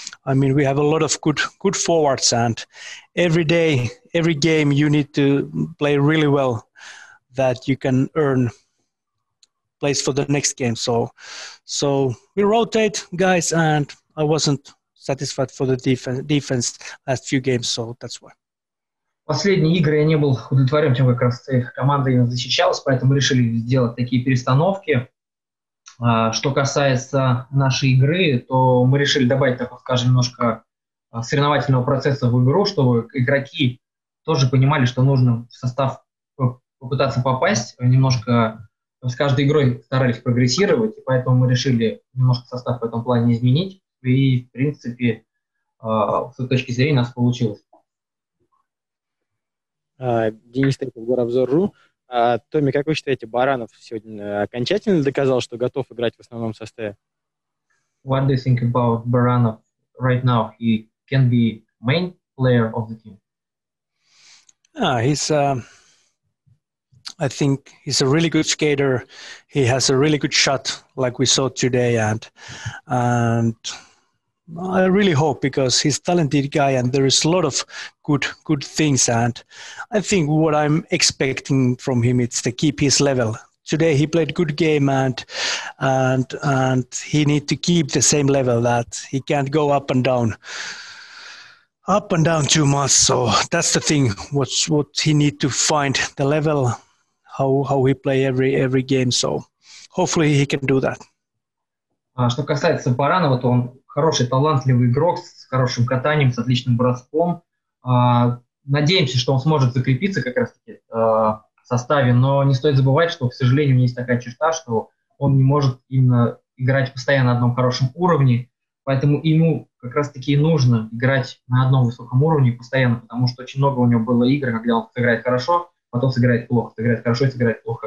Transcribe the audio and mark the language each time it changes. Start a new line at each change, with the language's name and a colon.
English: I mean, we have a lot of good forwards, and every day, every game, you need to play really well that you can earn place for the next game. So we rotate guys, and I wasn't satisfied for the defense last few games, so that's why.
Russian: Последние игры я не был удовлетворен тем, как раз команда именно защищалась, поэтому решили сделать такие перестановки. Что касается нашей игры, то мы решили добавить, так скажем, немножко соревновательного процесса в игру, чтобы игроки тоже понимали, что нужно в состав попытаться попасть. Немножко с каждой игрой старались прогрессировать, и поэтому мы решили немножко состав в этом плане изменить. И, в принципе, с этой точки зрения у нас получилось. Денис Трепов, Горобзор.ру. Томми, как вы считаете, Баранов сегодня окончательно доказал, что готов играть в основном составе?
English: What do you think about Baranov right now? He can be main player of the team. He's I think he's a really good skater. He has a really good shot, like we saw today, and I really hope because he's a talented guy and there is a lot of good things. And I think what I'm expecting from him is to keep his level. Today he played a good game and he needs to keep the same level that he can't go up and down too much. So that's the thing, what he needs to find, the level, how he play every game. So hopefully he can do that.
Russian: Что касается Баранова, то он хороший, талантливый игрок с хорошим катанием, с отличным броском. Надеемся, что он сможет закрепиться как раз-таки в составе, но не стоит забывать, что, к сожалению, у него есть такая черта, что он не может именно играть постоянно на одном хорошем уровне, поэтому ему как раз-таки и нужно играть на одном высоком уровне постоянно, потому что очень много у него было игр, когда он сыграет хорошо, потом сыграет плохо, сыграет хорошо, сыграет плохо.